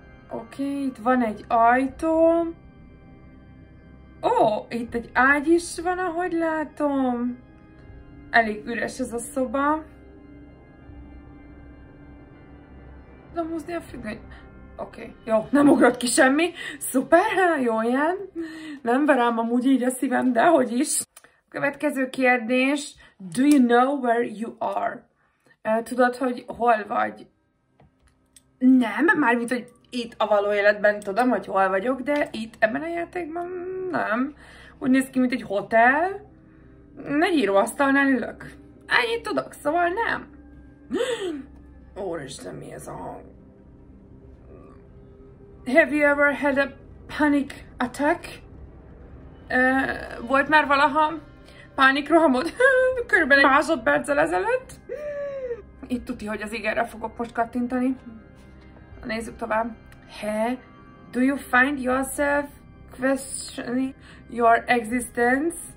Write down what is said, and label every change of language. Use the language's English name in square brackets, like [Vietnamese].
[Hungarian] Oké, itt van egy ajtó. Ó, itt egy ágy is van, ahogy látom. Elég üres ez a szoba. Tudom húzni a függöny. Oké, jó, nem ugrott ki semmi. Szuper, jó jön. Nem verám amúgy így a szívem, de hogy is. Következő kérdés. [English] Do you know where you are? [Hungarian] Tudod, hogy hol vagy? Nem, mármint, hogy itt a való életben tudom, hogy hol vagyok, de itt ebben a játékban nem. Úgy néz ki, mint egy hotel. Egy íróasztalnál ülök. Ennyit tudok, szóval nem. Úristen, mi ez a hang? [English] Have you ever had a panic attack? [Hungarian] Volt már valaha pánikrohamod? Körülbelül egy másodperccel ezelőtt? Itt tuti, hogy az igenre fogok most kattintani. Nézzük tovább. [English] Do you find yourself questioning your existence?